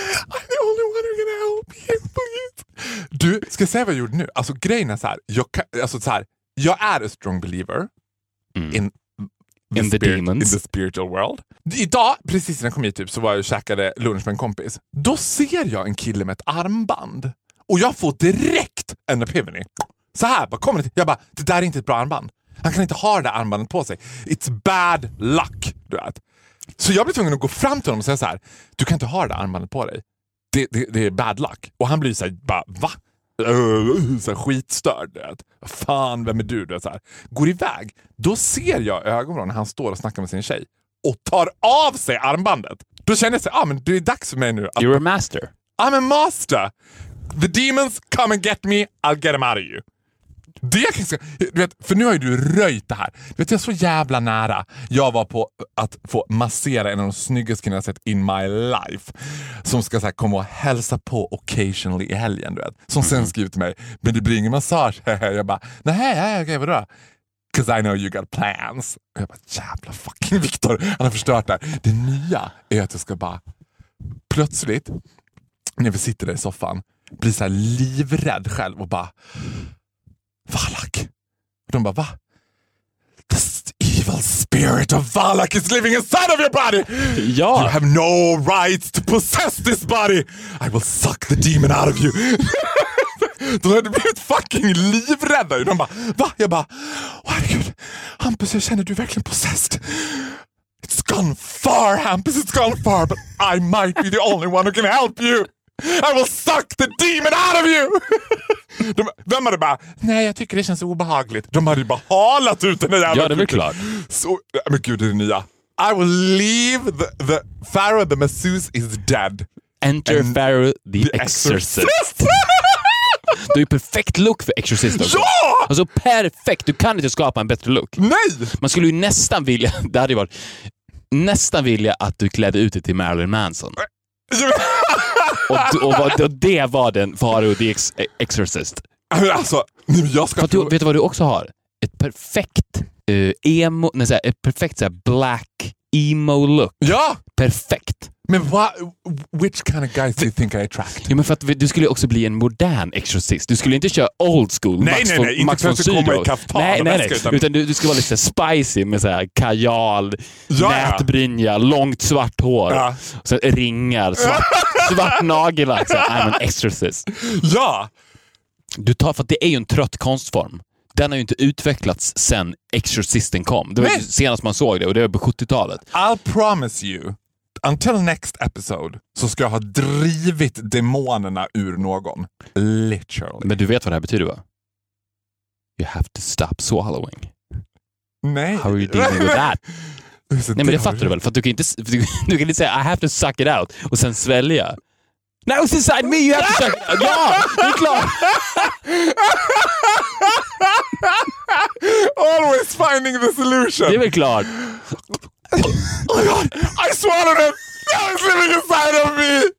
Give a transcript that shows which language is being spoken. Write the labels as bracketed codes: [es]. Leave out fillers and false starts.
[en] I'm the only one who's gonna help you, please. [sv] Du, ska jag säga vad jag gjorde nu? Alltså, grejen är så här. Jag är [en] a strong believer in the demons. In the spiritual world. [sv] Idag, precis innan jag kom hit, typ, så var jag och käkade lunch med en kompis. Då ser jag en kille med ett armband. Och jag får direkt en epiphany. Så här, vad kommer det? Jag bara, det där är inte ett bra armband. Han kan inte ha det armbandet på sig. [en] It's bad luck, [sv] du vet. Så jag blir tvungen att gå fram till honom och säga så här. Du kan inte ha det armbandet på dig. Det är bad luck. Och han blir så här, bara, va? Så här, skitstörd, du vet. Fan, vem är du? Du vet, så här. Går iväg. Då ser jag ögonen när han står och snackar med sin tjej. Och tar av sig armbandet. Då känner jag så här, men det är dags för mig nu. [en] Att, you're a master. I'm a master. The demons, come and get me, I'll get them out of you. [sv] Det jag kan säga, du vet, för nu har ju du röjt det här. Du vet, jag är så jävla nära. Jag var på att få massera en av de snyggaste kvinnor jag sett [en] in my life. [sv] Som ska så här, komma och hälsa på occasionally i helgen, du vet. Som sen skriver till mig, men det blir ingen massage. Jag bara, okej, vadå? [en] Because I know you got plans. [sv] Och jag bara, jävla fucking Victor, han har förstört det här. Det nya är att jag ska bara, plötsligt, när vi sitter där i soffan, blir så här livrädd själv och bara Valak. Och de bara, va? [en] The evil spirit of Valak is living inside of your body. [sv] Ja. [en] You have no right to possess this body. I will suck the demon out of you. [sv] De hade blivit fucking livrädda. De bara, va? Jag bara, oh, herregud, Hampus, jag känner du verkligen possessed. [en] It's gone far, Hampus, it's gone far, but I might be the only one who can help you. I will suck the demon out of you. [sv] Vem hade bara, nej, jag tycker det känns obehagligt. De hade ju bara halat ut den där jävla. Ja, det är klart. Så, men gud, det är nya. [en] I will leave the Pharaoh the masseuse is dead. Enter Pharaoh the exorcist. [sv] Du är perfekt look för exorcist också. Ja! Alltså perfekt, du kan inte skapa en bättre look. Nej! Man skulle ju nästan vilja, det hade ju varit, nästan vilja att du klädde ut dig till Marilyn Manson. Och det var den Faro the Exorcist. Alltså, jag ska du, vet du vad du också har? Ett perfekt emo, nej, såhär, ett perfekt såhär, black emo look. Ja! Perfekt. [en] Men which kind of guys do you think I attract? [sv] Ja, men för att du skulle också bli en modern exorcist. Du skulle inte köra old school. Nej, Max nej, nej. Max inte för att komma i nej, nej. Utan du skulle vara lite spicy med såhär kajal, ja, nätbrynja, ja, långt svart hår. Ja. Och sen ringar, svart nagelack. [en] I'm an exorcist. [sv] Ja! Du tar, för att det är ju en trött konstform. Den har ju inte utvecklats sen exorcisten kom. Det var ju senast man såg det, och det var på 70-talet. [en] I'll promise you, until next episode, [sv] så ska jag ha drivit demonerna ur någon. Literally. Men du vet vad det här betyder, va? [en] You have to stop swallowing. [sv] Nej. [en] How are you dealing with that? [sv] Nej, men det fattar du väl? För att du kan inte säga, [en] I have to suck it out, [sv] och sen svälja. [en] No, it's inside me, you have to suck. [sv] Ja, det är klart. [en] Always finding the solution. [sv] Det är väl klart. [en] Oh god, I swallowed it. Now it's living inside of me.